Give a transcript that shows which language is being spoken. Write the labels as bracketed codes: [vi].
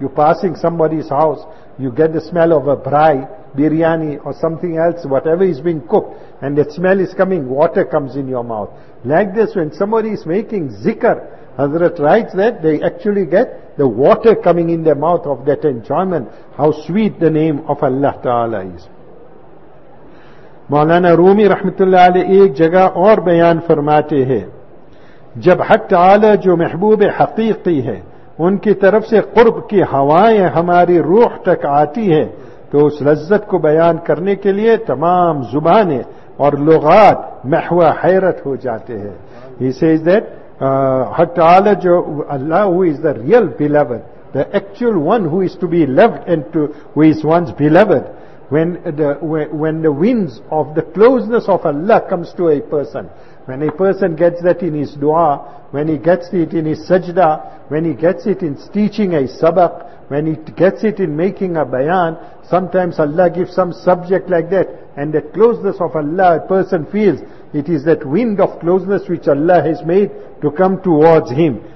[en] You're passing somebody's house, you get the smell of a braai, biryani or something else, whatever is being cooked, and that smell is coming, water comes in your mouth. Like this, when somebody is making zikr, Hazrat writes that they actually get the water coming in their mouth of that enjoyment, how sweet the name of Allah Ta'ala is. [ur] Maulana Rumi Rahmatullah Ali ek jagah aur bayan farmate hai, jab Haq Ta'ala jo mehboob haqeeqi hai, ان کی طرف سے قرب کی ہوائیں ہماری روح تک آتی ہیں, تو اس لذت کو بیان کرنے کے لیے تمام زبانیں اور لغات محو حیرت ہو جاتے ہیں. [en] He says that [ur] حق تعالی جو اللہ, [en] who is the real beloved, the actual one who is to be loved and to, who is one's beloved, when the winds of the closeness of Allah comes to a person, when a person gets that in his dua, when he gets it in his sajda, when he gets it in teaching a sabak, when he gets it in making a bayan, sometimes Allah gives some subject like that, and the closeness of Allah, a person feels, it is that wind of closeness which Allah has made to come towards him.